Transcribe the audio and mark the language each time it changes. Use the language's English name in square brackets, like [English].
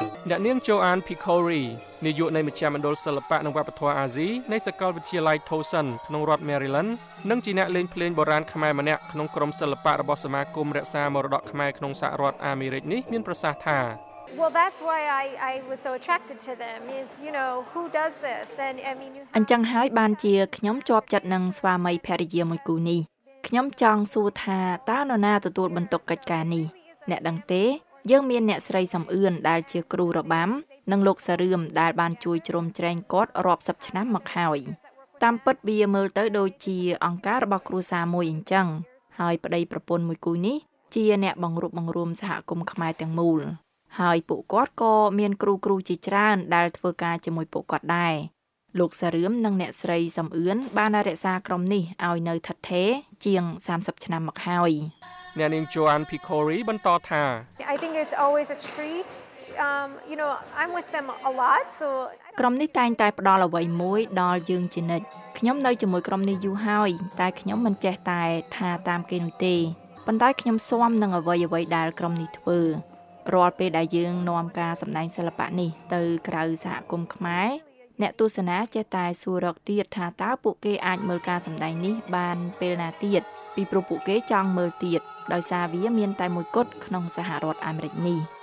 [Khmer] អ្នកនាងចូអានភីខូរីនាយកនៃមជ្ឈមណ្ឌលសិល្បៈនិងវប្បធម៌អាស៊ីនៃសាកលវិទ្យាល័យ Towson ក្នុងរដ្ឋ Maryland និងជាអ្នកលេងភ្លេងបុរាណខ្មែរម្នាក់ក្នុងក្រុមសិល្បៈរបស់សមាគមរក្សាមរតកខ្មែរក្នុងសហរដ្ឋអាមេរិកនេះមានប្រសាសន៍ថា [English] Well, that's why I was so attracted to them is, you know, who does this? And I mean, you have... [Khmer] អញ្ចឹងហើយបានជាខ្ញុំជាប់ចិត្តនឹងស្វាមីភរិយាមួយគូនេះខ្ញុំចង់សួរថាតើនរណាទទួលបន្ទុកកិច្ចការនេះអ្នកដឹងទេយើងមានអ្នកស្រីសំអឿនដែលជាគ្រូរបាំនិងលោកសារឿមដែលបានជួយជ្រោមជ្រែងគាត់រាប់សិបឆ្នាំមកហើយតាមពិតវាមើលទៅដូចជាអង្គការរបស់គ្រួសារមួយអញ្ចឹងហើយប្តីប្រពន្ធមួយគូនេះជាអ្នកបង្រួបបង្រួមសហគមន៍ខ្មែរទាំងមូលហើយពួកគាត់ក៏មានគ្រូជាច្រើនដែលធ្វើការជាមួយពួកគាត់ដែរ លោកសារឿមនិងអ្នកស្រីសំអឿនបានរក្សាក្រុមនេះឲ្យនៅឋិតថេរជាង30ឆ្នាំមកហើយ អ្នកនាងជូអានភីខូរីបន្តថា [English] I think it's always a treat you know I'm with them a lot so [Khmer] ក្រុមនេះតែងតែផ្ដល់អ្វីមួយដល់យើងជានិច្ចខ្ញុំនៅជាមួយក្រុមនេះយូរហើយតែខ្ញុំមិនចេះតែថាតាមគេនោះទេប៉ុន្តែខ្ញុំស្មោះនឹងអ្វីអ្វីដែលក្រុមនេះធ្វើរាល់ពេលដែលយើងនាំការសម្ដែងសិល្បៈនេះទៅក្រៅសហគមន៍ខ្មែរអ្នកទស្សនាចេះតែសួររកទៀតថាតើពួកគេអាចមើលការសម្ដែងនេះបានពេលណាទៀតពីព្រោះពួកគេចង់មើលទៀតដោយសារវាមានតែមួយគត់ក្នុងសហរដ្ឋអាមេរិកនេះ